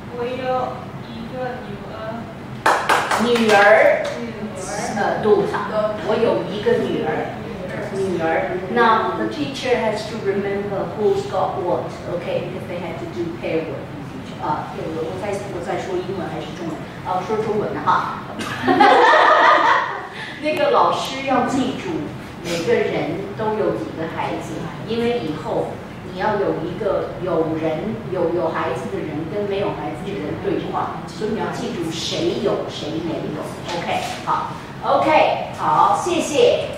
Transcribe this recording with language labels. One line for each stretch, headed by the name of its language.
Chinese: 女儿，多少？我有一个女儿，
English: senior, now the teacher has to remember who's got what, okay, because they had to do pair work.
Chinese: 我在说英文还是中文，说中文的哈。那个老师要记住每个人都有几个孩子，因为以后你要有一个有人有孩子的人跟没有孩子的人对话，所以你要记住谁有谁没有。OK， 好 ，OK， 好，谢谢。